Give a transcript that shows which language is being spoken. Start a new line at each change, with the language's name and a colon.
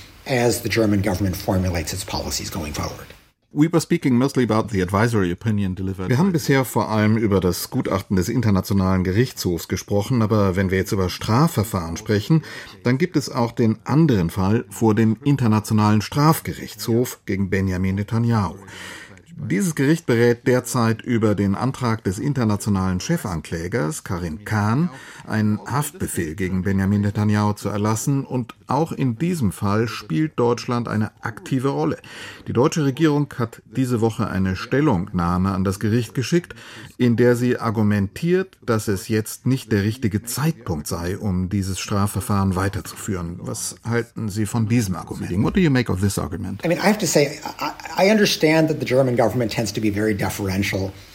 English: As the German government formulates its policies going forward. We were speaking mostly about the advisory opinion delivered.
German: Wir haben bisher vor allem über das Gutachten des Internationalen Gerichtshofs gesprochen, aber wenn wir jetzt über Strafverfahren sprechen, dann gibt es auch den anderen Fall vor dem Internationalen Strafgerichtshof gegen Benjamin Netanyahu. Dieses Gericht berät derzeit über den Antrag des internationalen Chefanklägers Karim Khan, einen Haftbefehl gegen Benjamin Netanyahu zu erlassen. Und auch in diesem Fall spielt Deutschland eine aktive Rolle. Die deutsche Regierung hat diese Woche eine Stellungnahme an das Gericht geschickt, in der sie argumentiert, dass es jetzt nicht der richtige Zeitpunkt sei, um dieses Strafverfahren weiterzuführen. Was halten Sie von diesem Argument?
English: What do you make of this argument? I mean, I have to say, I understand that the German government tends to be very deferential